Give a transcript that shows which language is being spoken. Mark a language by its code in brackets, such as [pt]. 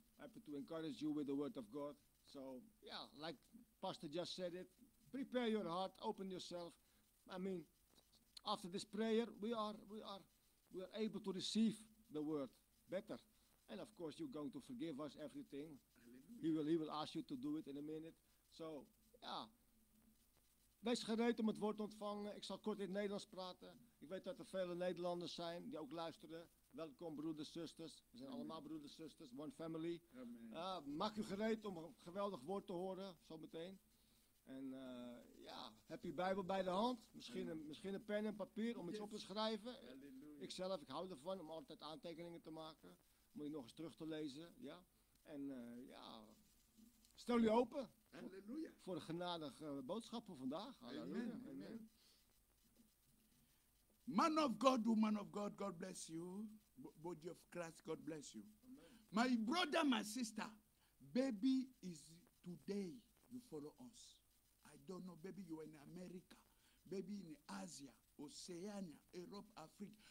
[en] Happy to encourage you with the word of God. So, yeah, like Pastor just said it, prepare your heart, open yourself. I mean, after this prayer, we are able to receive the word better. And of course, you're going to forgive us everything. He will ask you to do it in a minute. So, yeah. [nl] Wees gereed om het woord te ontvangen. Ik zal kort in het Nederlands praten. Ik weet dat er vele Nederlanders zijn die ook luisteren. Welkom, broeders, zusters. We zijn allemaal broeders, zusters. [en] One family. [nl] Maak u gereed om een geweldig woord te horen, zometeen. En ja, heb je Bijbel bij de hand? Misschien een pen en papier om iets op te schrijven. Ik hou ervan om altijd aantekeningen te maken. Moet je nog eens terug te lezen. Ja. En ja, stel je open. Halleluja. Voor een genadige boodschap van vandaag. Halleluja. Amen. Amen. [en] Man of God, woman of God, God bless you. Body of Christ, God bless you. Amen. My brother, my sister, baby is today you follow us. I don't know, baby you are in America, baby in Asia, Oceania, Europe, Africa.